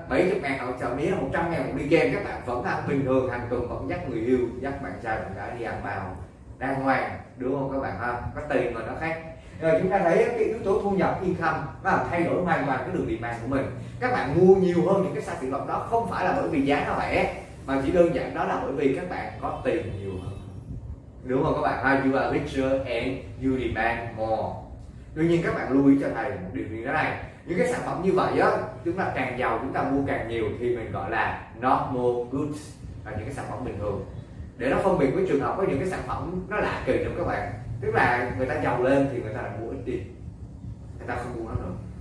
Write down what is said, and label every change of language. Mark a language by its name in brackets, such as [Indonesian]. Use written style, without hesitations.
[Vietnamese] 70 ngàn hoặc chậm nhất là 100 ngàn một đi kem, các bạn vẫn ăn bình thường, hàng tuần vẫn dắt người yêu, dắt bạn trai, bạn gái đi ăn vào đàng hoàng, đúng không các bạn ha? Có tiền mà nó khác. Rồi chúng ta thấy cái yếu tố thu nhập, income nó thay đổi hoàn toàn cái đường bị mang của mình. Các bạn mua nhiều hơn những cái sản phẩm đó không phải là bởi vì giá nó rẻ, mà chỉ đơn giản đó là bởi vì các bạn có tiền nhiều hơn, đúng không các bạn ha? [English] You are richer and you demand more. [Vietnamese] Tuy nhiên các bạn lưu ý cho thầy một điều như thế này: những cái sản phẩm như vậy á, chúng ta càng giàu chúng ta mua càng nhiều thì mình gọi là normal goods, là những cái sản phẩm bình thường. Để nó phân biệt với trường hợp có những cái sản phẩm nó lạ kỳ lắm các bạn, tức là người ta giàu lên thì người ta lại mua ít tiền, người ta không mua nó nữa.